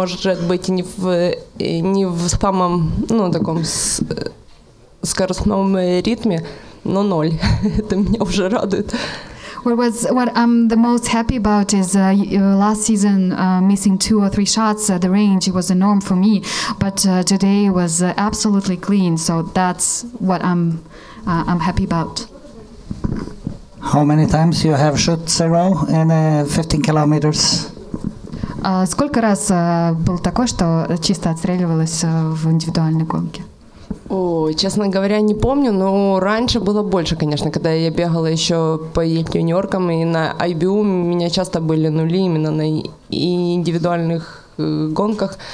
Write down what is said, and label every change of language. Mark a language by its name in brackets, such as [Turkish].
[Russian] Может быть, не в самом, ну, таком скоростном ритме. No, ноль. Это меня уже радует. [English] What I'm the most happy about is last season missing 2 or 3 shots at the range. It was a norm for me, but today was absolutely clean. So that's what I'm happy about. How many times you have shot zero in 15 kilometers? [Russian] Сколько раз был такой, что чисто отстреливалось в индивидуальной гонке? О, честно говоря, не помню, но раньше было больше, конечно, когда я бегала еще по юниоркам, и на IBU у меня часто были нули именно на индивидуальных гонках.